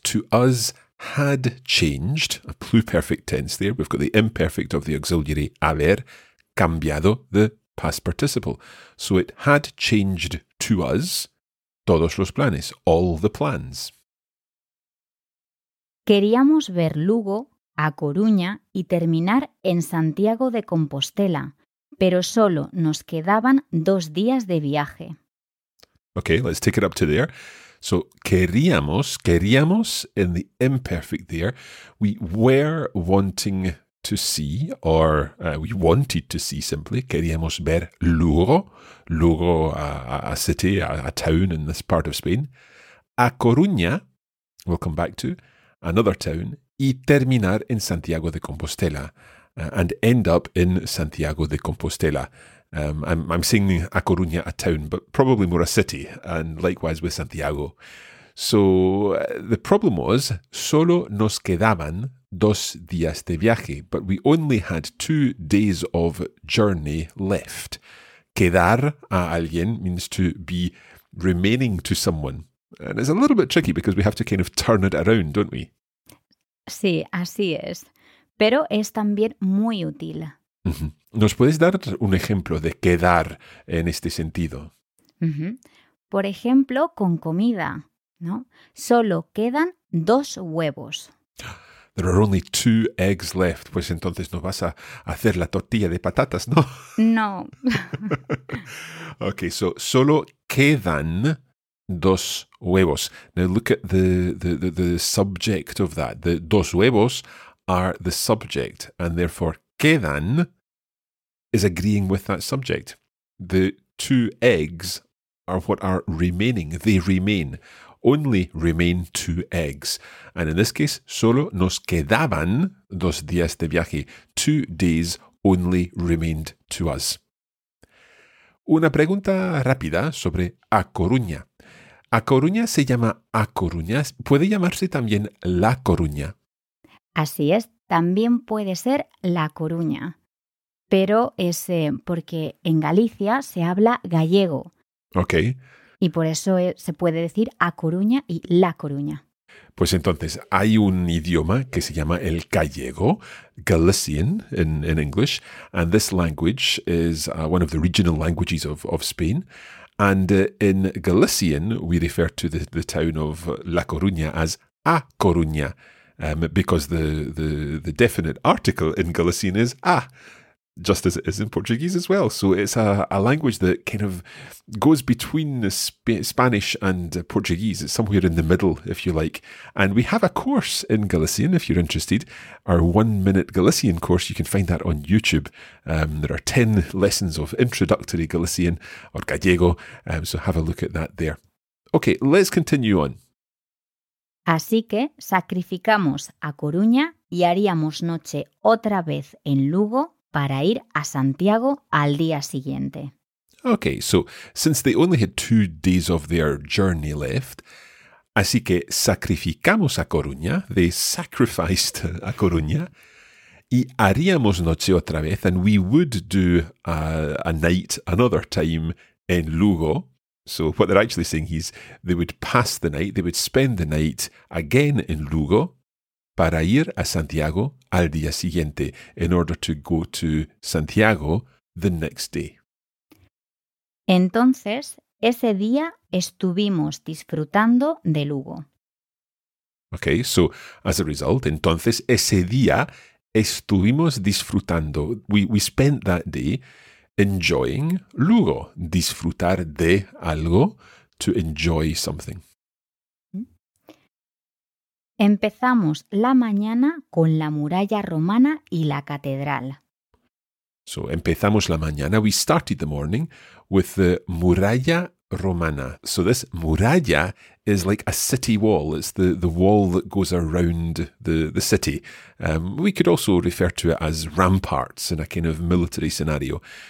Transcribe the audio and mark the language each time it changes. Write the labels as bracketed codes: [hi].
[en] To us had changed, a pluperfect tense there, we've got the imperfect of the auxiliary haber, cambiado the past participle. So it had changed to us [es] todos los planes, [en] all the plans. [es] Queríamos ver Lugo, a Coruña y terminar en Santiago de Compostela, pero solo nos quedaban 2 días de viaje. [en] Okay, let's take it up to there. So, queríamos, in the imperfect there, we were wanting to see, or we wanted to see simply, [es] queríamos ver Lugo, [en] a city, a town in this part of Spain, a Coruña, we'll come back to, another town, [es] y terminar en Santiago de Compostela, [en] and end up in Santiago de Compostela. I'm saying a Coruña, a town, but probably more a city, and likewise with Santiago. So the problem was, [es] solo nos quedaban 2 días de viaje, [en] but we only had 2 days of journey left. [es] Quedar a alguien [en] means to be remaining to someone. And it's a little bit tricky because we have to kind of turn it around, don't we? [es] Sí, así es. Pero es también muy útil. ¿Nos puedes dar un ejemplo de quedar en este sentido? Uh-huh. Por ejemplo, con comida, ¿no? Solo quedan 2 huevos. [en] There are only 2 eggs left. [es] Pues entonces no vas a hacer la tortilla de patatas, ¿no? No. [en] Okay, so [es] solo quedan 2 huevos. [en] Now look at the subject of that. The 2 huevos are the subject, and therefore quedan is agreeing with that subject. The 2 eggs are what are remaining. They remain. Only remain 2 eggs. And in this case, [es] solo nos quedaban 2 días de viaje. [en] 2 days only remained to us. [es] Una pregunta rápida sobre A Coruña. A Coruña se llama A Coruña. Puede llamarse también La Coruña. Así es. También puede ser La Coruña. Pero es porque en Galicia se habla gallego. Ok. Y por eso se puede decir A Coruña y La Coruña. Pues entonces, hay un idioma que se llama el gallego, [en] Galician in English. And this language is one of the regional languages of Spain. And in Galician, we refer to the town of La Coruña as A Coruña, because the definite article in Galician is A, just as it is in Portuguese as well. So it's a language that kind of goes between Spanish and Portuguese. It's somewhere in the middle, if you like. And we have a course in Galician, if you're interested, our 1-minute Galician course. You can find that on YouTube. There are 10 lessons of introductory Galician or Gallego. So have a look at that there. Okay, let's continue on. [es] Así que sacrificamos a Coruña y haríamos noche otra vez en Lugo para ir a Santiago al día siguiente. [en] Okay, so since they only had 2 days of their journey left, [es] así que sacrificamos a Coruña, [en] they sacrificed a Coruña, [es] y haríamos noche otra vez, [en] and we would do a night another time [es] en Lugo. [en] So what they're actually saying is they would pass the night, they would spend the night again in Lugo, [es] para ir a Santiago al día siguiente, [en] in order to go to Santiago the next day. [es] Entonces, ese día estuvimos disfrutando de Lugo. [en] Okay, so as a result, [es] entonces, ese día estuvimos disfrutando. [en] We spent that day enjoying Lugo. [es] Disfrutar de algo, [en] to enjoy something. [es] Empezamos la mañana con la muralla romana y la catedral. So, empezamos la mañana. [en] We started the morning with the muralla romana. So, this muralla is like a city wall. It's the wall that goes around the city. We could also refer to it as ramparts in a kind of military scenario.